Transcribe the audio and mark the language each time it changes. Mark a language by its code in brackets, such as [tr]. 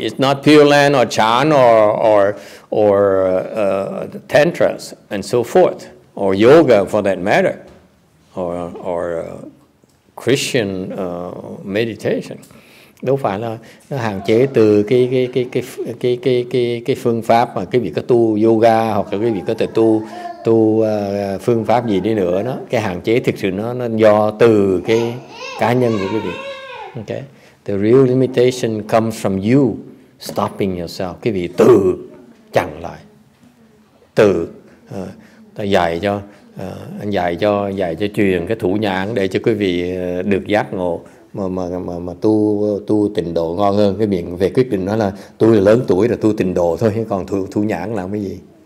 [en] It's not pure land or chan or tantras and so forth, or yoga for that matter, or Christian meditation. [vi] Đâu phải là nó hạn chế từ cái phương pháp mà quý vị có tu yoga hoặc là quý vị có thể tu phương pháp gì đi nữa đó. Cái hạn chế thực sự nó do từ cái cá nhân của quý vị. [en] Okay. The real limitation comes from you stopping yourself. [vi] Cái vị tự chặn lại. Tự ta dạy cho anh dạy cho truyền cái thủ nhãn để cho quý vị được giác ngộ mà tu tịnh độ ngon hơn. Cái miệng về quyết định đó là tôi lớn tuổi rồi tu tịnh độ thôi, còn thủ nhãn làm cái gì?